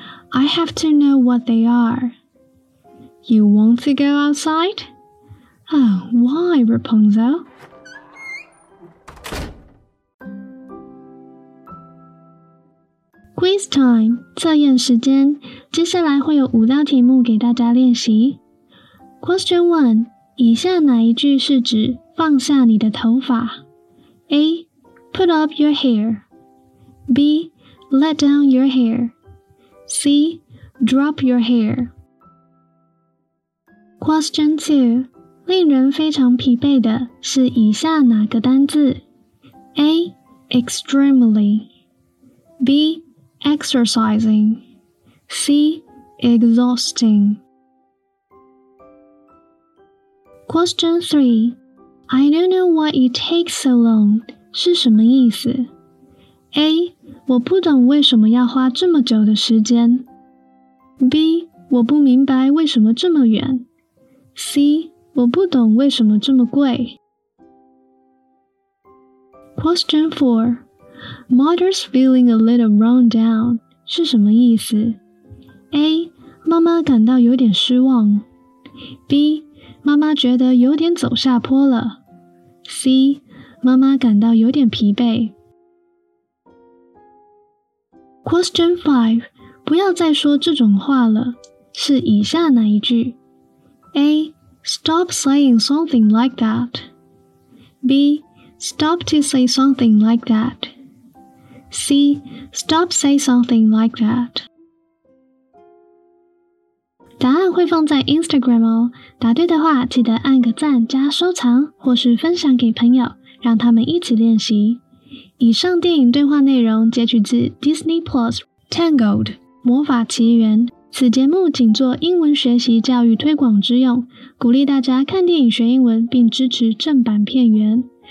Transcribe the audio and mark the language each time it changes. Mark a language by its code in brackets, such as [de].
[en] I have to know what they are. You want to go outside? Oh, why, Rapunzel? Quiz time, [zh] 测验时间。接下来会有五道题目给大家练习。 [en] Question 1, [zh] 以下哪一句是指放下你的头发? [en] A. Put up your hair. B. Let down your hair. C. Drop your hair. Question 2, 令人非常疲惫的是以下哪个单字? A. Extremely. B. Exercising. C. Exhausting. Question 3. I don't know why it takes so long. [zh] 是什么意思? A. 我不懂为什么要花这么久的时间。 B. 我不明白为什么这么远。 C. 我不懂为什么这么贵。 [en] Question 4. Mother's feeling a little run down. [zh] 是什么意思? A. 妈妈感到有点失望。 B. 妈妈觉得有点走下坡了。 C. 妈妈感到有点疲惫。 [en] Question 5. [zh] 不要再说这种话了。是以下哪一句? A. [en] Stop saying something like that. B. Stop to say something like that. C. Stop say something like that. [zh] 答案会放在 Instagram 哦，答对的话记得按个赞加收藏或是分享给朋友，让他们一起练习。以上电影对话内容截取自 Disney Plus Tangled 魔法奇缘，此节目仅做英文学习教育推广之用，鼓励大家看电影学英文并支持正版片源。